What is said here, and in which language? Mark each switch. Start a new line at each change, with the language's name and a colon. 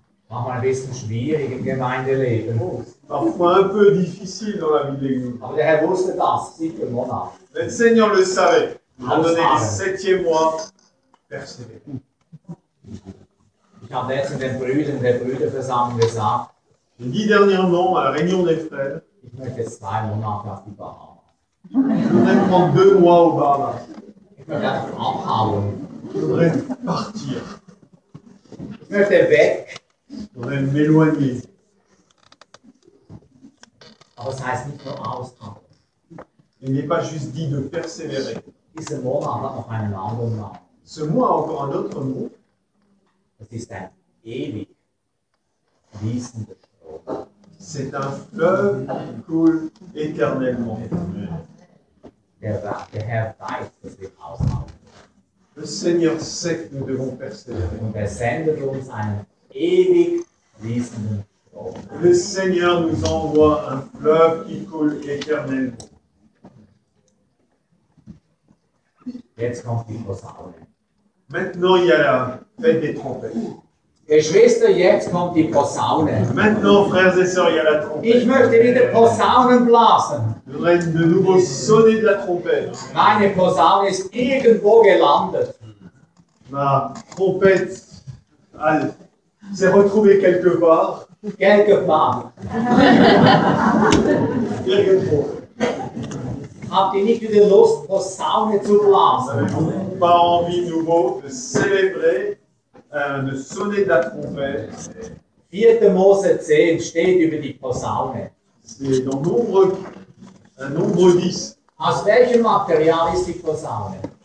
German: Manchmal ein bisschen schwierig im Gemeindeleben.
French: Parfois un peu difficile dans la vie de l'Église.
German: Aber der Herr wusste das, siebter Monat.
French: Le Seigneur le savait. Il a donné le septième mois. Persévérer.
German: Ich habe letztens den Brüdern der Brüderversammlung gesagt.
French: J'ai dit dernièrement à la réunion des frères.
German: Ich möchte zwei Monate auf die Bahamas.
French: Je voudrais prendre deux mois aux Bahamas.
German: Ich möchte abhauen.
French: Je voudrais partir.
German: Ich möchte weg.
French: Je voudrais m'éloigner.
German: Aber es heißt nicht nur aushalten.
French: Il n'est pas juste dit de persévérer.
German: Diese Monat hat noch einen anderen Namen.
French: Ce mois a encore un autre mot.
German: Es ist ein ewig fließender Strom.
French: C'est un fleuve qui coule éternellement.
German: Der Herr weiß, dass wir aushalten.
French: Le Seigneur sait que nous devons persévérer.
German: Und er sendet uns einen ewig fließenden Strom.
French: Le Seigneur nous envoie un fleuve qui coule éternellement.
German: Jetzt kommt die Posaune.
French: Maintenant, il y a la fête des trompettes.
German: Geschwister, jetzt kommt die Posaune.
French: Maintenant, frères et sœurs, il y a la trompette.
German: Ich möchte wieder Posaunen blasen.
French: Je voudrais de nouveau sonner de la trompette.
German: Meine Posaune ist irgendwo gelandet.
French: Ma trompette, elle s'est retrouvée quelque part. Quelque part. Quelque part.
German: Habt ihr nicht wieder Lust, Posaune zu blasen?
French: Pas envie nouveau de célébrer, de sonner de la trompette.
German: 4 Mose 10 steht über die Posaune.
French: C'est dans nombre, un nombre 10.
German: Aus welchem Material ist die Posaune?